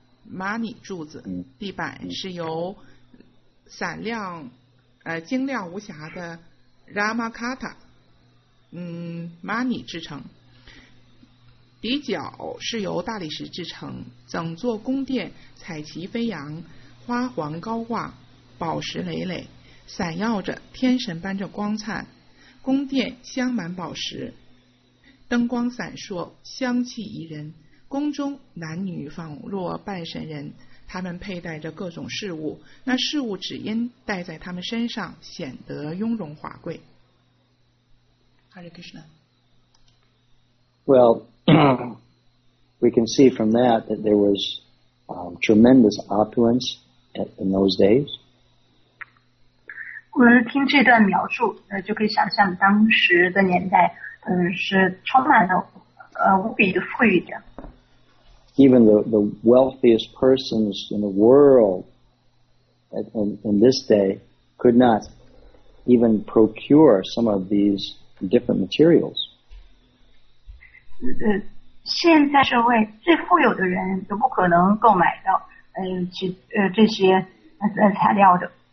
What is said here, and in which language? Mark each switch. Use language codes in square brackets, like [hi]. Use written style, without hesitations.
[zh] Money 柱子，地板是由闪亮晶亮无瑕的 Ramakata Money 制成，底角是由大理石制成，整座宫殿彩旗飞扬，花环高挂，宝石累累，闪耀着天神般的光灿，宫殿镶满宝石，灯光闪烁，香气宜人，宫中男女仿若半神人，他们佩戴着各种饰物，那饰物只因戴在他们身上显得雍容华贵。 [en] Hare Krishna. Well, we can see from that that there was tremendous opulence in those days. [zh] 我们听这段描述，就可以想象当时的年代，是充满了无比的富裕的。 [en] Even the wealthiest persons in the world in this day could not even procure some of these different materials. [zh] 现在社会最富有的人都不可能购买到这些材料的。